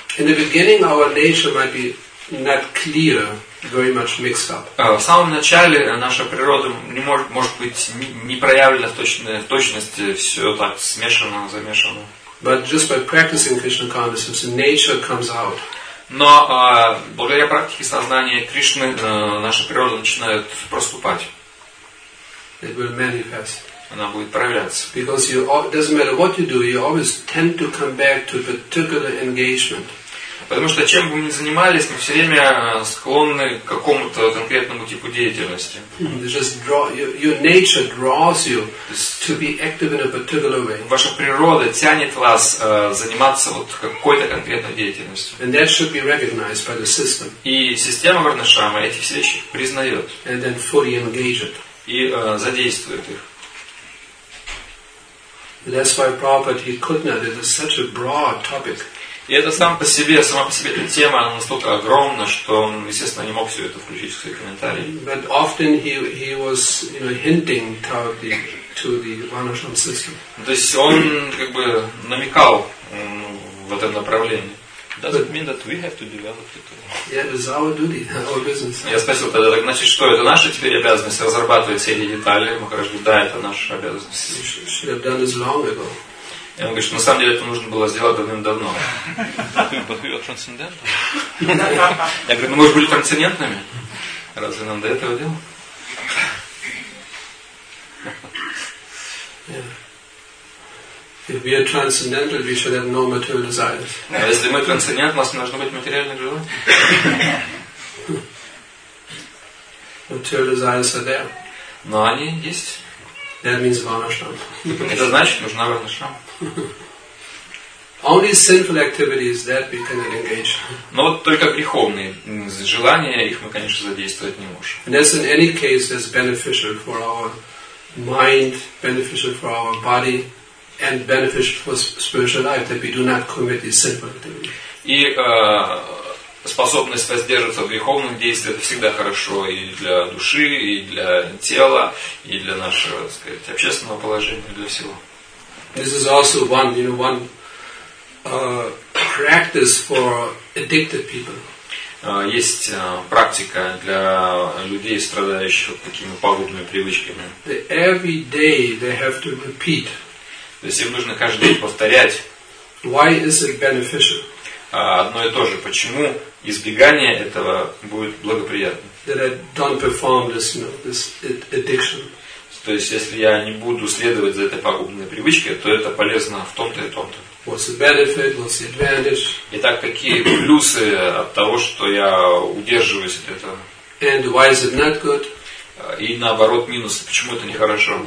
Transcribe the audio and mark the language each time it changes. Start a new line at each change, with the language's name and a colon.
English: In the beginning, our nature might be not clear, very much mixed up.
Russian: В самом начале наша природа может быть не проявлена в точности, все так смешано, замешано.
English: But just by practicing Krishna consciousness, nature comes out.
Russian: Но благодаря практике сознания Кришны наша природа начинает проступать.
English: It will manifest.
Russian: Она будет проявляться.
English: Because you, it doesn't matter what you do, you always tend to come back to a particular engagement.
Russian: Потому что чем бы мы ни занимались, мы все время склонны к какому-то конкретному типу деятельности.
English: Just draw, your nature draws you to be active in a particular way.
Russian: Ваша природа тянет вас заниматься вот какой-то конкретной деятельностью.
English: And that should be recognized by the system.
Russian: И система Варнашрама эти все вещи признает.
English: And then fully engage it.
Russian: И задействует их.
English: That's why Prabhupada, he could not. It is such a broad topic.
Russian: И это сам по себе, сама по себе эта тема, она настолько огромна, что он, естественно, не мог все это включить в свои комментарии.
English: But often he was, you know, hinting to the Varnashram system.
Russian: То есть он как бы намекал в этом направлении.
English: Does it mean that we have to develop it? Yeah, it's our duty, our business.
Russian: Я спросил тогда, так, значит, что это наша теперь обязанность разрабатывать все эти детали? Мы говорим, да, это наша обязанность.
English: You should have done this long ago.
Russian: И он говорит, что на самом деле это нужно было сделать давным-давно.
English: But we are transcendental.
Russian: Я говорю, ну мы же были трансцендентными. Разве нам до этого дело?
English: If we are transcendental, we should have no material desires.
Russian: А если мы трансцендент, у нас не должно быть материальных желаний.
English: Material desires are there.
Russian: Но они есть.
English: That means Varnashram.
Russian: Это значит, нужна Варнашрама.
English: Only sinful activities that we cannot engage.
Russian: Но вот только греховные желания, их мы, конечно, задействовать не можем.
English: And this, in any case, is beneficial for our mind, beneficial for our body, and beneficial for spiritual life that we do not commit these sinful activities.
Russian: И способность воздерживаться от греховных действий — это всегда хорошо и для души, и для тела, и для нашего, так сказать, общественного положения, для всего.
English: This is also one practice for addicted people.
Russian: Есть практика для людей, страдающих такими пагубными привычками.
English: Every day they have to repeat.
Russian: То есть им нужно каждый день повторять.
English: Why is it beneficial?
Russian: Одно и то же. Почему избегание этого будет благоприятно?
English: That I don't perform this, you know, this addiction.
Russian: То есть если я не буду следовать за этой пагубной привычкой, то это полезно в том-то и том-то.
English: What's the benefit? What's the advantage?
Russian: Итак, какие плюсы от того, что я удерживаюсь от этого?
English: And why is it not good?
Russian: И наоборот, минусы. Почему это нехорошо?